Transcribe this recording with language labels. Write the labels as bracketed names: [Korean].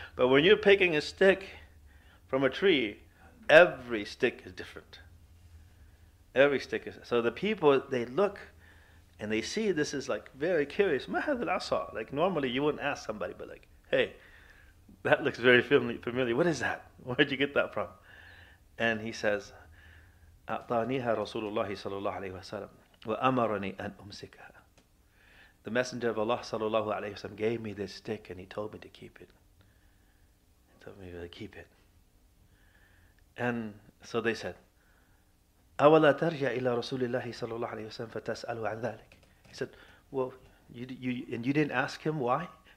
[English] But when you're picking a stick from a tree, every stick is different. Every stick is. So the people, they look and they see this is like very curious. Like normally you wouldn't ask somebody, but like, hey, that looks very familiar. What is that? Where'd you get that from? And he says, [Arabic] أَعْطَانِيهَا رَسُولُ اللَّهِ صَلَى اللَّهُ عَلَيْهِ وَسَلَمْ وَأَمَرَنِي أَنْ أُمْسِكَهَا. [English] The Messenger of Allah sallallahu alaihi wasallam gave me this stick and he told me to keep it. He told me to keep it. And so they said, [Arabic] أَوَلَا تَرْجَعْ إِلَى رَسُولِ اللَّهِ صَلَى اللَّهُ عَلَيْهِ وَسَلَمْ فَتَسْأَلُوا عَنْ ذَلِكَ. [English] He said, well, you didn't ask him why?